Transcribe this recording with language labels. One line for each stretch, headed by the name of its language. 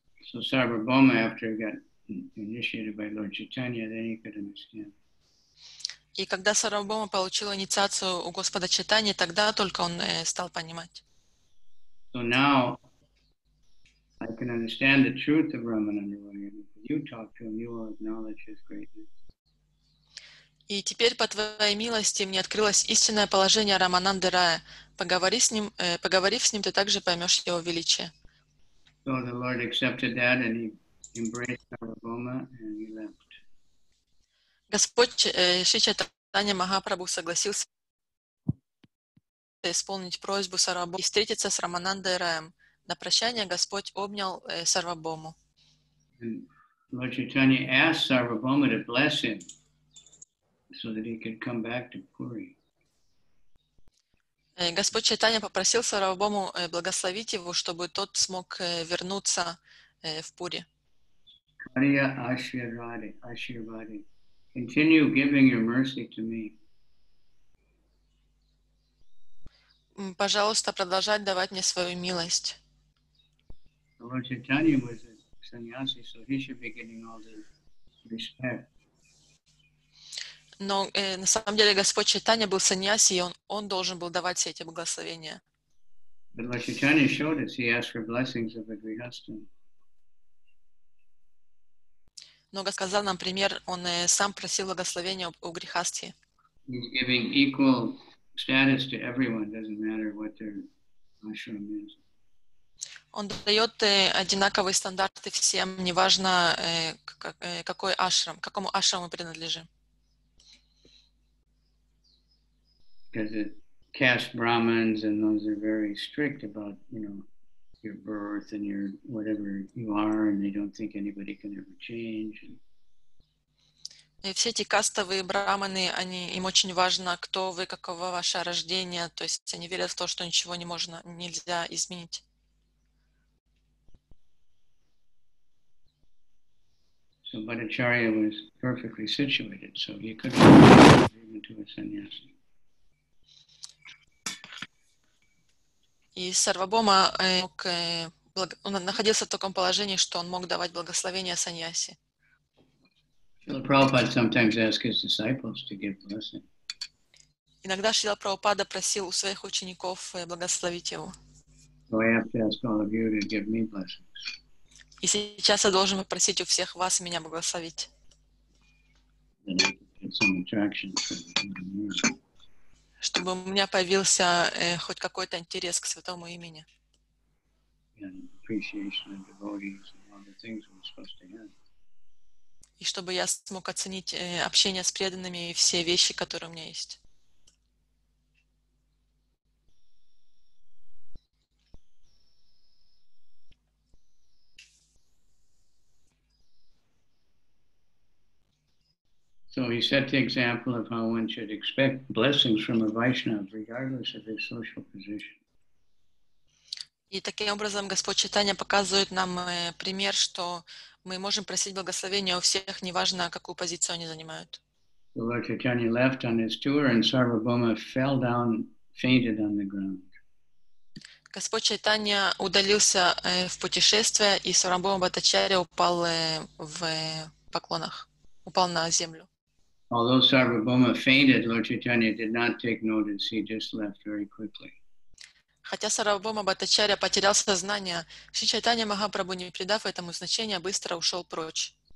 English: So Sarvabhauma, after he got initiated by Lord Chaitanya, then he could understand.
Russian: И когда Сарвабхаума получил инициацию у Господа Чайтаньи, тогда только он стал понимать.
English: So now I can understand the truth of Ramananda Roy. If you talk to him, you will acknowledge his greatness.
Russian: И теперь, по твоей милости, мне открылось истинное положение Рамананды Рая. Поговорив с ним, ты также поймешь его величие.
English: So the Lord accepted that and he embraced Sarvabhauma and he left.
Russian: Господь Шри Чайтанья Махапрабху согласился исполнить просьбу Сарвабхаумы и встретиться с Раманандой Раем. На прощание Господь обнял Сарвабхауму.
English: Lord Chaitanya asked Sarvabhauma to bless him. So that he could come back to Puri.
Russian: Господь Чайтанья попросил Сарвабхауму благословить его, чтобы тот смог вернуться в Пури.
Bangla: Kariya Ashirvadi, Ashirvadi.
English: Continue giving your mercy to me.
Russian: Пожалуйста, продолжай давать мне свою милость.
English: Lord Chaitanya was a sannyasi, so he should be getting all the respect.
Russian: Но на самом деле Господь Чайтанья был саньяси, и он должен был давать все эти благословения.
English: But Lord Chaitanya showed us, he asked for blessings of a grihastha.
Russian: Но Господь сказал нам пример, он сам просил благословения у грихастхи.
English: He's giving equal status to everyone, doesn't matter what their ashram is.
Russian: Он дает одинаковые стандарты всем, неважно какой ашрам, какому ашраму принадлежим.
English: because it caste Brahmins, and those are very strict about, you know, your birth and your whatever you are, and they don't think anybody can ever change. And
Russian: и все эти кастовые брахманы, они, им очень важно, кто вы, каково ваше рождение. То есть они верят в то, что ничего не можно, нельзя изменить.
English: So Bhattacharya was perfectly situated, so he could have to a sannyasi.
Russian: И Сарвабхаума мог, он находился в таком положении, что он мог давать благословение саньяси.
English: Srila Prabhupada sometimes asked his disciples to give blessing.
Russian: Иногда Шрила Прабхупада просил у своих учеников благословить его.
English: So I have to ask all of you to give me blessings.
Russian: И сейчас я должен попросить у всех вас меня благословить.
English: And get some attraction for the
Russian: чтобы у меня появился хоть какой-то интерес к святому имени.
English: And appreciation of devotees and all the things we're supposed to have.
Russian: И чтобы я смог оценить общение с преданными и все вещи, которые у меня есть.
English: So he set the example of how one should expect blessings from a Vaishnava, regardless of his social position.
Russian: И таким образом Господь Чайтанья показывает нам пример, что мы можем просить благословения у всех, неважно, какую позицию они занимают.
English: Lord Chaitanya left on his tour and Sarvabhauma fell down, fainted on the ground.
Russian: Господь Чайтанья удалился в путешествие, и Сарвабхаума Бхаттачарья упал в поклонах, упал на землю.
English: Although Sarvabhauma fainted, Lord Chaitanya did not take notice, he just left very quickly.
Russian: Хотя Сарвабхаума Бхаттачарья потерял сознание, Шри Чайтанья Махапрабху, не придав этому значения, быстро ушел прочь.